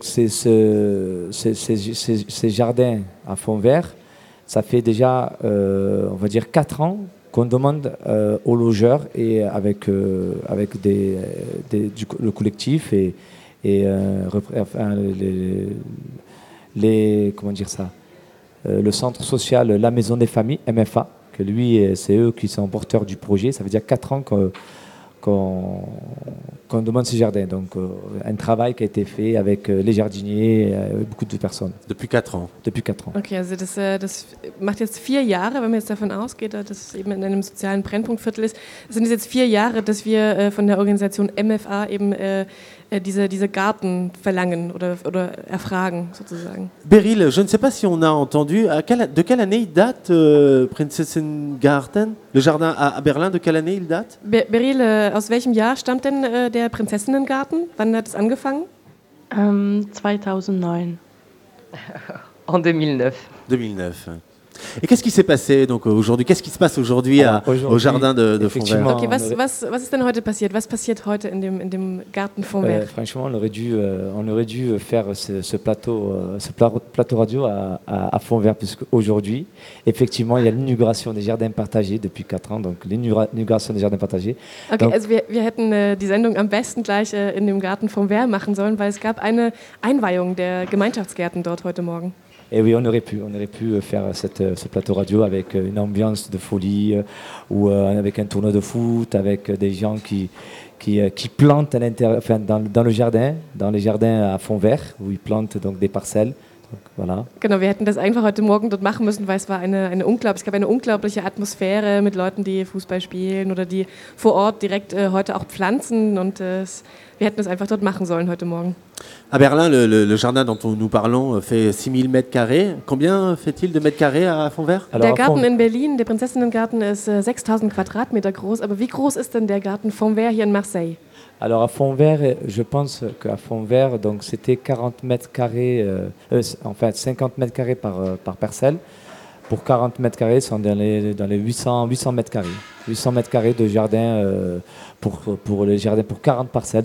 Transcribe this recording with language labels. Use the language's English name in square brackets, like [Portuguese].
[French] Ces jardins à Fontvert, ça fait déjà, on va dire, 4 ans qu'on demande aux logeurs et avec le collectif le centre social, la maison des familles, MFA, que lui, c'est eux qui sont porteurs du projet. Ça veut dire 4 ans qu'on demande ce jardin. Donc, un travail qui a été fait avec les jardiniers, beaucoup de personnes. Depuis 4 ans. Depuis 4 ans. [German] Ok, also das macht jetzt 4 Jahre, wenn man jetzt davon ausgeht, dass es eben in einem sozialen Brennpunktviertel ist. Es sind jetzt 4 Jahre, dass wir von der Organisation MFA eben diese Garten verlangen oder erfragen, sozusagen. [French] Beryl, je ne sais pas si on a entendu, de quelle année il date Prinzessinnengarten? Le jardin à Berlin, de quelle année il date? [German] Beryl, aus welchem Jahr stammt denn der Prinzessinnengarten? Wann hat es angefangen? [French] 2009. En 2009. [German] 2009. [French] Et qu'est-ce qui s'est passé donc aujourd'hui? Qu'est-ce qui se passe aujourd'hui, aujourd'hui au jardin de Fonvert? [German] Okay, was ist denn heute passiert? Was passiert heute in dem Garten Fonvert? [French] Franchement, on aurait dû faire ce plateau radio à Fonvert, puisque aujourd'hui, effectivement, il y a l'inauguration des jardins partagés depuis 4 ans, donc l'inauguration des jardins partagés. [German] Okay, donc, also wir hätten die Sendung am besten gleich in dem Garten Fonvert machen sollen, weil es gab eine Einweihung der Gemeinschaftsgärten dort heute Morgen. [French] Et oui, on aurait pu faire ce plateau radio avec une ambiance de folie ou avec un tournoi de foot, avec des gens qui plantent à l'intérieur, enfin dans les jardins à fond vert, où ils plantent donc des parcelles. Voilà. [German] Genau, wir hätten das einfach heute Morgen dort machen müssen, weil es gab eine unglaubliche Atmosphäre mit Leuten, die Fußball spielen oder die vor Ort direkt heute auch pflanzen und wir hätten das einfach dort machen sollen heute Morgen. [French] À Berlin, le jardin dont nous parlons fait 6000 mètres carrés. Combien fait-il de mètres carrés à Fonvert? [German] Der Garten in Berlin, der Prinzessinnengarten, ist 6000 Quadratmeter groß, aber wie groß ist denn der Garten Fonvert hier in Marseille? [French] Alors à Fonvert, je pense qu'à Fonvert, donc c'était 40 mètres carrés, enfin 50 mètres carrés par parcelle. Pour 40 mètres carrés, c'est dans les 800 mètres carrés. 800 mètres carrés de jardin pour les jardins pour 40 parcelles.